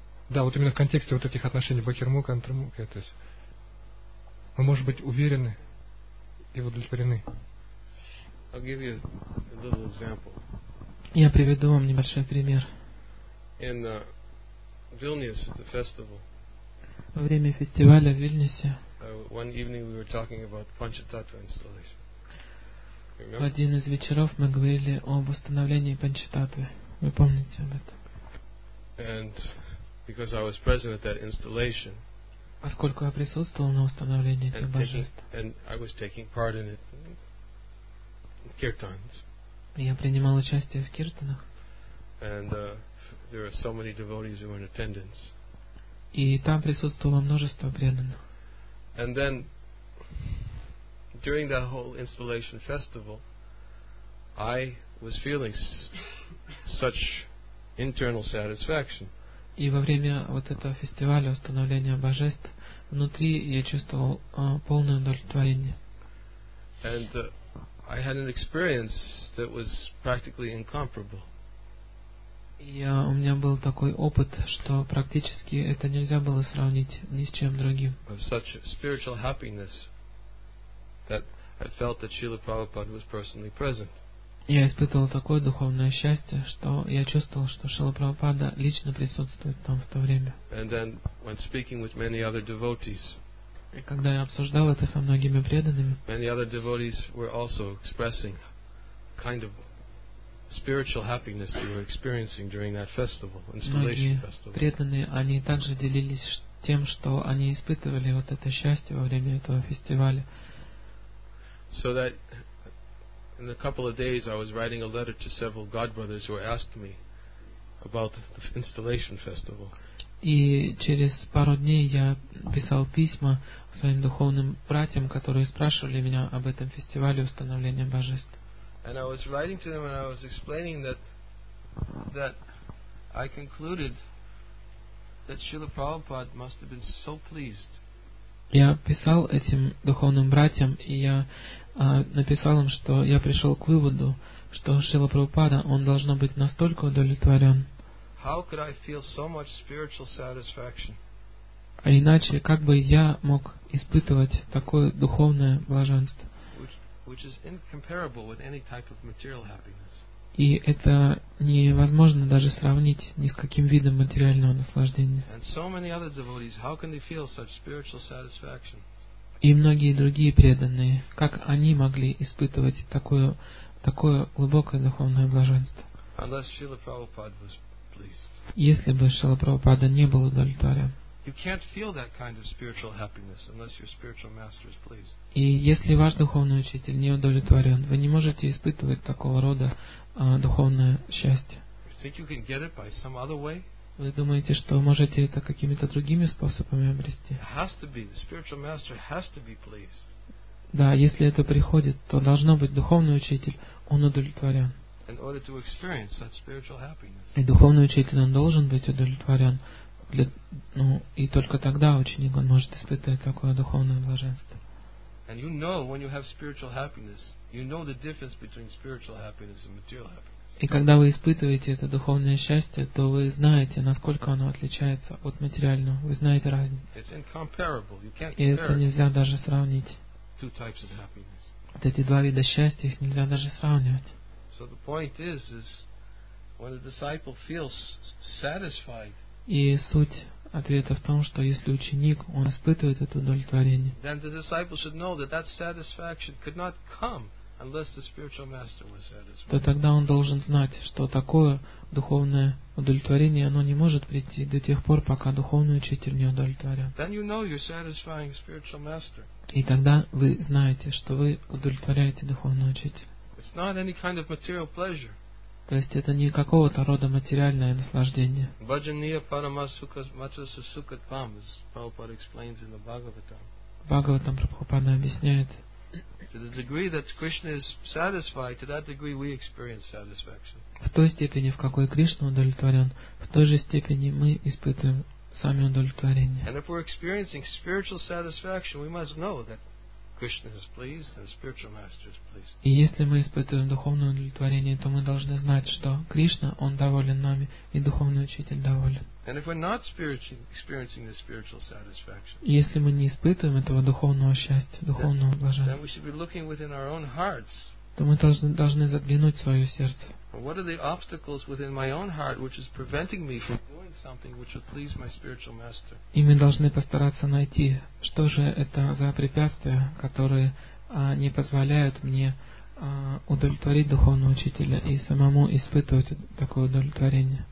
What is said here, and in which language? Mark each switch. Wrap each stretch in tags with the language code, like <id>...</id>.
<ru>Да, вот именно в контексте вот этих отношений Бакермук, Антермук, то есть мы можем быть уверены и удовлетворены.</ru> <en>I'll give you a little example.</en> <ru>Я приведу вам небольшой пример.</ru> <en>In Vilnius, the festival.</en> <ru>Во время фестиваля в Вильнюсе.</ru> <en>One evening we were talking about Panchatattva installation.</en> <ru>В один из вечеров мы говорили об установлении Панчататвы. Вы помните об этом?</ru> <en>And because I was present at that installation.</en> <ru>Поскольку я присутствовал на установлении этих божеств.</ru> <en>And I was taking part in it. Kirtans.</en> <ru>Я принимал участие в киртанах.</ru> <en>And there are so many devotees who were in attendance.</en> <ru>И там присутствовало множество преданных.</ru> <en>And then during that whole installation festival, I was feeling such internal satisfaction.</en> <ru>И во время вот этого фестиваля установления божеств внутри я чувствовал полное удовлетворение.</ru> <en>And I had an experience that was practically incomparable.</en> <ru>У меня был такой опыт, что практически это нельзя было сравнить ни с чем другим.</ru> <en>Of such spiritual happiness that I felt that Srila Prabhupada was personally present.</en> <ru>Я испытывал такое духовное счастье, что я чувствовал, что Шрила Прабхупада лично присутствует там в то время.</ru> <en>And then when speaking with many other devotees,</en> <ru>и когда я обсуждал это со многими преданными,</ru> <en>many other devotees were also expressing kind of spiritual happiness they were experiencing during that festival, installation festival.</en> <ru>Преданные, они также делились тем, что они испытывали вот это счастье во время этого фестиваля.</ru> <en>So that in a couple of days I was writing a letter to several godbrothers who asked me about the installation festival.</en> <ru>И через пару дней я писал письма своим духовным братьям, которые спрашивали меня об этом фестивале установления божеств.</ru> <en>And I was writing to them and I was explaining that I concluded that Srila Prabhupada must have been so pleased.</en> <ru>Я писал этим духовным братьям, и я написал им, что я пришел к выводу, что Шрила Прабхупада, он должно быть настолько удовлетворен.</ru> <en>How could I feel so much spiritual satisfaction?</en> <ru>А иначе, как бы я мог испытывать такое духовное блаженство?</ru> <en>Which is incomparable with any type of material happiness.</en> <ru>И это невозможно даже сравнить ни с каким видом материального наслаждения.</ru> <en>And so many other devotees, how can they feel such spiritual satisfaction?</en> <ru>И многие другие преданные, как они могли испытывать такое глубокое духовное блаженство?</ru> <en>Unless Srila Prabhupada was pleased.</en> <ru>Если бы Шрила Прабхупада не был удовлетворен.</ru> <en>You can't feel that kind of spiritual happiness unless your spiritual master is pleased.</en> <ru>И если ваш духовный учитель не удовлетворен, вы не можете испытывать такого рода духовное счастье.</ru> <en>You think you can get it by some other way?</en> <ru>Вы думаете, что можете это какими-то другими способами обрести?</ru> <en>Has to be. The spiritual master has to be pleased.</en> <ru>Да, если это приходит, то должно быть духовный учитель, он удовлетворен.</ru> <en>In order to experience that spiritual happiness.</en> <ru>И духовный учитель, он должен быть удовлетворен. И только тогда ученик он может испытывать такое духовное блаженство.</ru> <en>And you know when you have spiritual happiness, you know the difference between spiritual happiness and material happiness.</en> <ru>И когда вы испытываете это духовное счастье, то вы знаете, насколько оно отличается от материального. Вы знаете разницу.</ru> <en>It's incomparable. You can't compare.</en> <ru>И это нельзя даже сравнить.</ru> <en>Two types of happiness.</en> <ru>Вот эти два вида счастья, их нельзя даже сравнивать.</ru> <en>So the point is when a disciple feels satisfied.</en> <ru>И суть ответа в том, что если ученик, он испытывает это удовлетворение,</ru> <en>then the disciple should know that that satisfaction could not come unless the spiritual master was satisfied.</en> <ru>То тогда он должен знать, что такое духовное удовлетворение, оно не может прийти до тех пор, пока духовный учитель не удовлетворен.</ru> <en>Then you know you're satisfying spiritual master.</en> <ru>И тогда вы знаете, что вы удовлетворяете духовного учителя.</ru> <en>It's not any kind of material pleasure.</en> <ru>То есть это не какого-то рода материальное наслаждение.</ru> <sa>Баджаниа парамасука матраса сукатвам,</sa> <en>as Prabhupada explains in the Bhagavatam.</en> <ru>Бхагаватам Прабхупада объясняет.</ru> <en>To the degree that Krishna is satisfied, to that degree we experience satisfaction.</en> <ru>В той степени, в какой Кришна удовлетворен, в той же степени мы испытываем сами удовлетворение.</ru> <en>And if we're experiencing spiritual satisfaction, we must know that Krishna is pleased and the spiritual master is pleased.</en> <ru>И если мы испытываем духовное удовлетворение, то мы должны знать, что Кришна, он доволен нами, и духовный учитель доволен.</ru> <en>And if we're not experiencing the spiritual satisfaction,</en> <ru>если мы не испытываем этого духовного счастья, духовного блаженства,</ru> <en>then we should be looking within our own hearts.</en> <ru>То мы должны заглянуть в свое сердце.</ru> <en>What are the obstacles within my own heart which is preventing me from doing something which would please my spiritual master?</en> <ru>И мы должны постараться найти, что же это за препятствия, которые не позволяют мне удовлетворить духовного учителя и самому испытывать такое удовлетворение.</ru>